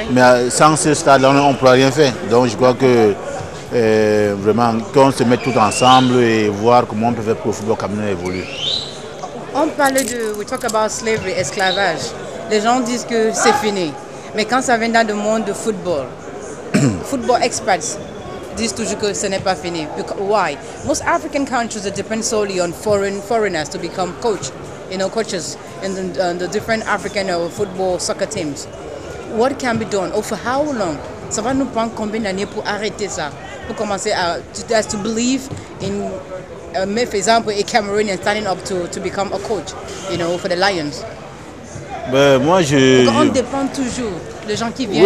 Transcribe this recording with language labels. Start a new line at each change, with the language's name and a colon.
French: Mais sans ce stade-là, on ne pourra rien faire. Donc je crois que vraiment, qu'on se mette tout ensemble et voir comment on peut faire pour le football camerounais évoluer. On parle de,
English: we talk about slavery,
French: esclavage. Les gens disent que c'est fini. Mais quand ça vient dans le monde de football,
English: football experts
French: disent toujours que ce n'est pas fini.
English: Because, why? Most African countries depend solely on foreigners to become coach, you know, coaches in the different African football soccer teams. What can be done? Or for how long?
French: Ça va nous prendre combien d'années pour arrêter ça? Pour commencer à
English: to believe in, for example, a Cameroonian standing up to become a coach, you know, for the Lions.
French: Ben moi je. Donc on dépend toujours les gens qui viennent.